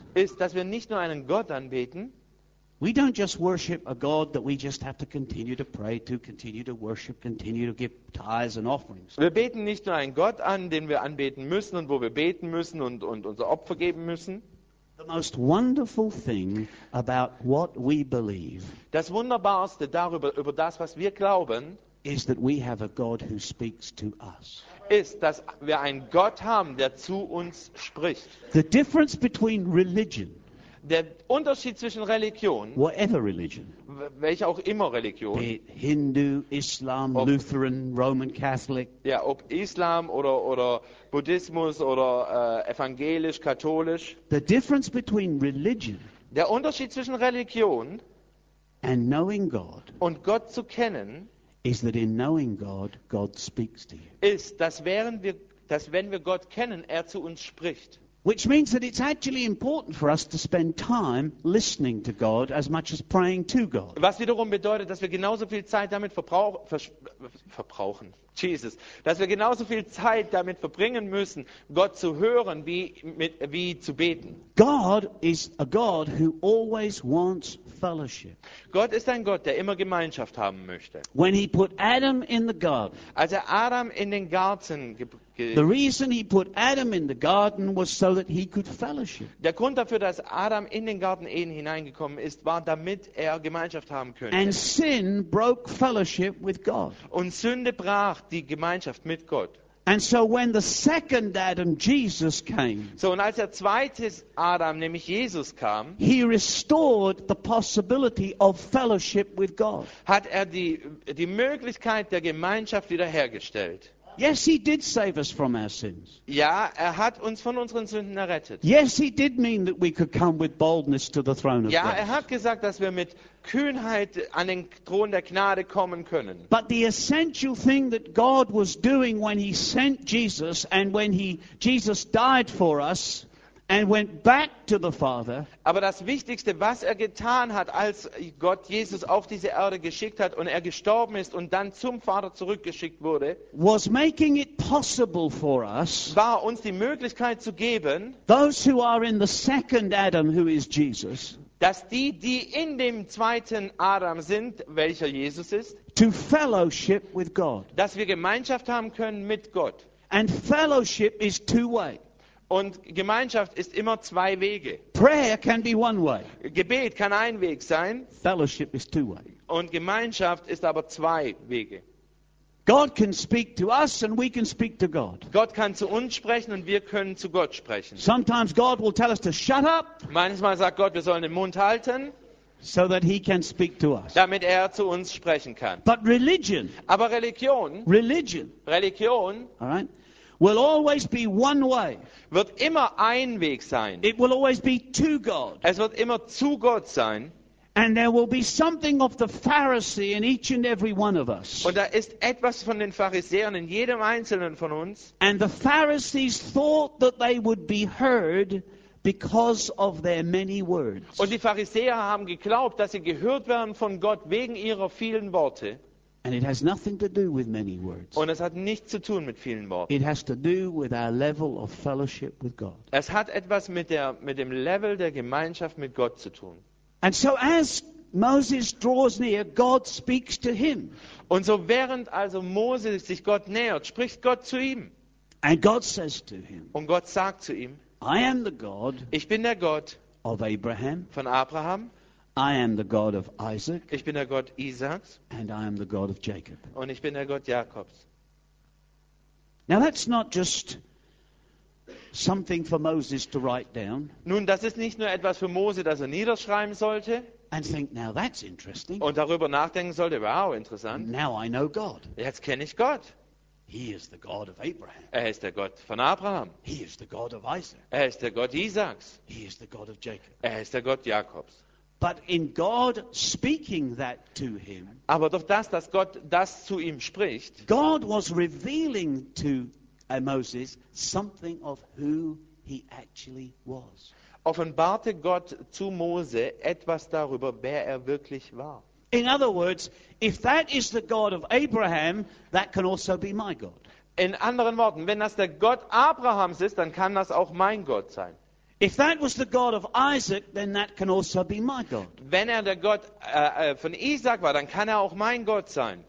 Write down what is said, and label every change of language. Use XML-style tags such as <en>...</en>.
<de>Ist, dass wir nicht nur einen Gott anbeten.</de> <en>We don't just worship a God that we just have to continue to pray to, continue to worship, continue to give tithes and offerings.</en> <de>Wir beten nicht nur einen Gott an, den wir anbeten müssen und wo wir beten müssen und unser Opfer geben müssen.</de> <en>The most wonderful thing about what we believe.</en> <de>Das Wunderbarste darüber, über das, was wir glauben,</de> <en>is that we have a God who speaks to us.</en> <de>Ist, dass wir einen Gott haben, der zu uns spricht.</de> <en>The difference between religion.</en> <de>Der Unterschied zwischen Religion,</de> <en>whatever religion,</en> <de>welche auch immer Religion,</de> <en>be it Hindu, Islam, ob, Lutheran, Roman Catholic,</en> <de>ja, ob Islam oder Buddhismus oder evangelisch, katholisch,</de> <en>the difference between religion,</en> <de>der Unterschied zwischen Religion</de> <en>and knowing God,</en> <de>und Gott zu kennen,</de> <en>is that in knowing God, God speaks to you.</en> <de>Ist, dass wenn wir Gott kennen, zu uns spricht.</de> <en>Which means that it's actually important for us to spend time listening to God as much as praying to God.</en> <de>Was wiederum bedeutet, dass wir genauso viel Zeit damit verbrauchen. Jesus, dass wir genauso viel Zeit damit verbringen müssen, Gott zu hören, wie zu beten.</de> <en>God is a God who always wants fellowship.</en> <de>Gott ist ein Gott, der immer Gemeinschaft haben möchte.</de> <en>When he put Adam in the garden.</en> <de>Als Adam in den Garten gebracht.</de> <en>The reason he put Adam in the garden was so that he could fellowship.</en> <de>Der Grund dafür, dass Adam in den Garten Eden hineingekommen ist, war, damit Gemeinschaft haben könnte.</de> <en>And sin broke fellowship with God.</en> <de>Und Sünde brach die Gemeinschaft mit Gott.</de> <en>And so when the second Adam, Jesus, came,</en> <de>so und als zweite Adam, nämlich Jesus, kam,</de> <en>he restored the possibility of fellowship with God.</en> <de>Hat die Möglichkeit der Gemeinschaft wiederhergestellt.</de> <en>Yes, he did save us from our sins.</en> <de>Ja, hat uns von unseren Sünden errettet.</de> <en>Yes, he did mean that we could come with boldness to the throne of</en> <de>ja,</de> <en>God.</en> <de>Ja, hat gesagt, dass wir mit Kühnheit an den Thron der Gnade kommen können.</de> <en>But the essential thing that God was doing when he sent Jesus and when Jesus died for us and went back to the Father.</en> <de>Aber das Wichtigste, was getan hat, als Gott Jesus auf diese Erde geschickt hat und gestorben ist und dann zum Vater zurückgeschickt wurde,</de> <en>was making it possible for us,</en> <de>war uns die Möglichkeit zu geben,</de> <en>those who are in the second Adam, who is Jesus,</en> <de>dass die in dem zweiten Adam sind, welcher Jesus ist,</de> <en>to fellowship with God.</en> <de>Dass wir Gemeinschaft haben können mit Gott.</de> <en>And fellowship is two way.</en> <de>Und Gemeinschaft ist immer zwei Wege.</de> <en>Prayer can be one way.</en> <de>Gebet kann ein Weg sein.</de> <en>Fellowship is two way.</en> <de>Und Gemeinschaft ist aber zwei Wege.</de> <en>God can speak to us and we can speak to God.</en> <de>Gott kann zu uns sprechen und wir können zu Gott sprechen.</de> <en>Sometimes God will tell us to shut up.</en> <de>Manchmal sagt Gott, wir sollen den Mund halten.</de> <en>So that he can speak to us.</en> <de>Damit zu uns sprechen kann.</de> <en>But religion.</en> <de>Aber Religion.</de> <en>Religion.</en> <de>Religion.</de> <en>All right. Will always be one way.</en> <de>Wird immer ein Weg sein.</de> <en>It will always be to God.</en> <de>Es wird immer zu Gott sein.</de> <en>And there will be something of the Pharisee in each and every one of us.</en> <de>Und da ist etwas von den Pharisäern in jedem einzelnen von uns.</de> <en>And the Pharisees thought that they would be heard because of their many words.</en> <de>Und die Pharisäer haben geglaubt, dass sie gehört werden von Gott wegen ihrer vielen Worte.</de> <en>And it has nothing to do with many words.</en> <de>Und es hat nichts zu tun mit vielen Worten.</de> <en>It has to do with our level of fellowship with God.</en> <de>Es hat etwas mit dem Level der Gemeinschaft mit Gott zu tun.</de> <en>And so as Moses draws near, God speaks to him.</en> <de>Und so während also Moses sich Gott nähert, spricht Gott zu ihm.</de> <en>And God says to him.</en> <de>Und Gott sagt zu ihm.</de> <en>I am the God.</en> <de>Ich bin der Gott</de> <en>of Abraham.</en> <de>Von Abraham.</de> <en>I am the God of Isaac.</en> <de>Ich bin der Gott Isaaks.</de> <en>And I am the God of Jacob.</en> <de>Und ich bin der Gott Jakobs.</de> <en>Now that's not just something for Moses to write down.</en> <de>Nun, das ist nicht nur etwas für Mose, das er niederschreiben sollte.</de> <en>And think, now that's interesting.</en> <de>Und darüber nachdenken sollte. Wow, interessant.</de> <en>Now I know God.</en> <de>Jetzt kenne ich Gott.</de> <en>He is the God of Abraham.</en> <de>Er ist der Gott von Abraham.</de> <en>He is the God of Isaac.</en> <de>Er ist der Gott Isaaks.</de> <en>He is the God of Jacob.</en> <de>Er ist der Gott Jakobs.</de> <en>But in God speaking that to him.</en> <de>Aber durch das, dass Gott das zu ihm spricht.</de> <en>God was revealing to Moses something of who he actually was.</en> <de>Offenbarte Gott zu Mose etwas darüber, wer er wirklich war.</de> <en>In other words, if that is the God of Abraham, that can also be my God.</en> <de>In anderen Worten, wenn das der Gott Abrahams ist, dann kann das auch mein Gott sein.</de> <en>If that was the God of Isaac, then that can also be my God.</en> <de>Wenn er der Gott von Isaac war, dann kann er auch mein Gott sein.</de>